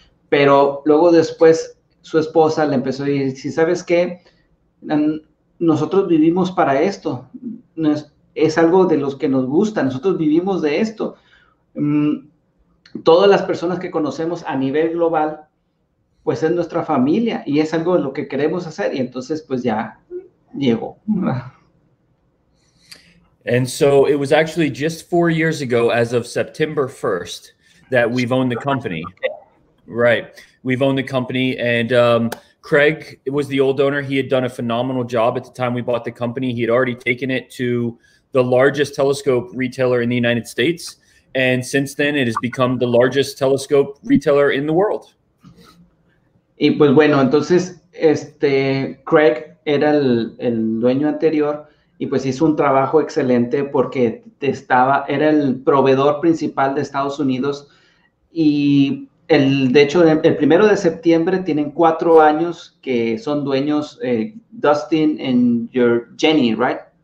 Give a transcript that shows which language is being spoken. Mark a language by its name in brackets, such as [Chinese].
[Spanish] Pero luego después su esposa le empezó a decir, si sabes qué, nosotros vivimos para esto, es algo de los que nos gusta, nosotros vivimos de esto. Todas las personas que conocemos a nivel global, pues es nuestra familia y es algo de lo que queremos hacer. Y entonces, pues ya llegó. [English] And so it was actually just 4 years ago, as of September 1st, that we've owned the company. Right. We've owned the company. And Craig was the old owner. He had done a phenomenal job at the time we bought the company. He had already taken it to the largest telescope retailer in the United States. And since then, it has become the largest telescope retailer in the world. [Spanish] Y pues bueno, entonces, Craig era el dueño anterior y pues hizo un trabajo excelente porque era el proveedor principal de Estados Unidos y de hecho, el primero de septiembre tienen 4 años que son dueños, [English] Dustin and Jenny, right?